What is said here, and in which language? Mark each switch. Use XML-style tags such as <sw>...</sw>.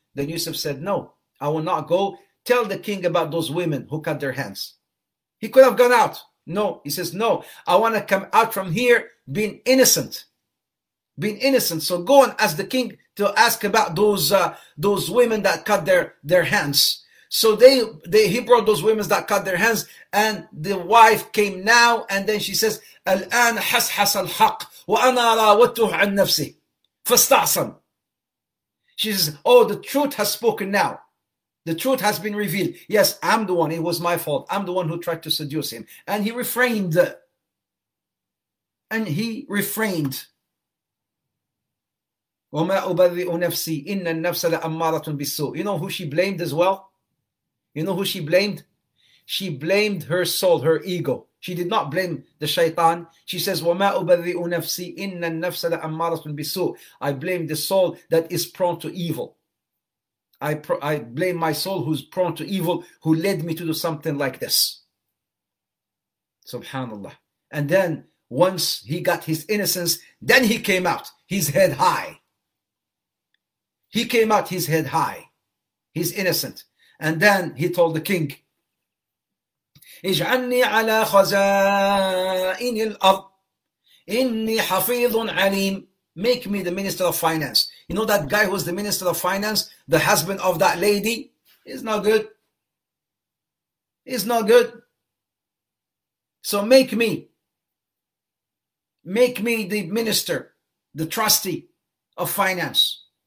<en>Then Yusuf said, no, I will not go. Tell the king about those women who cut their hands. He could have gone out. No, he says, no, I want to come out from here being innocent. Being innocent. So go and ask the king to ask about those women that cut their hands. So he brought those women that cut their hands. And the wife came now. And then she says,</en> <ar>الآن حسحس الحق وأنا راوته عن نفسي فاستعصم.</ar> <en>She says, oh, the truth has spoken now. The truth has been revealed. Yes, I'm the one. It was my fault. I'm the one who tried to seduce him. And he refrained. And he refrained.</en> <ar>وَمَا أُبَرِّئُ نَفْسِي إِنَّ النَّفْسَ لَأَمَّارَةٌ بِالسُّوءِ.</ar> <en>You know who she blamed as well? You know who she blamed? She blamed her soul, her ego. She did not blame the shaitan. She says,</en> <ar>وَمَا أُبَرِّئُ نَفْسِي إِنَّ النَّفْسَ لَأَمَّارَةٌ بِسُوءٍ.</ar> <en>I blame the soul that is prone to evil. I blame my soul who's prone to evil, who led me to do something like this. Subhanallah. And then once he got his innocence, then he came out, his head high. He came out, his head high. He's innocent. And then he told the king,</en> <ar>اجعلني على خزائن الأرض إني حفيظ عليم.</ar> <en>Make me the minister of finance. You know that guy who was the minister of finance, the husband of that lady? He's not good. He's not good. So make me the minister, the trustee of finance.</en>